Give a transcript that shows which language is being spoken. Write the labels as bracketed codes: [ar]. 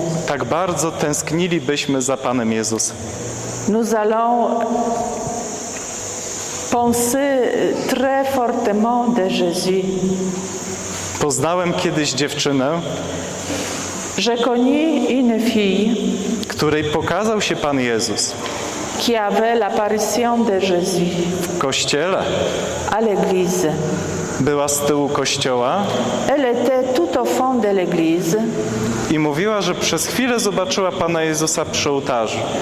[pl] Tak bardzo tęsknilibyśmy za Panem Jezusem. [fr] Nous allons penser très fortement de Jésus. [pl] Poznałem kiedyś dziewczynę, [fr] je connais une fille, [pl] której pokazał się Pan Jezus. [fr] Qui avait l'apparition de Jésus. [pl] W kościele. [fr] À l'église. [pl] Była z tyłu kościoła. [fr] Elle était tout au fond de l'église. [pl] I mówiła, że przez chwilę zobaczyła Pana Jezusa przy ołtarzu.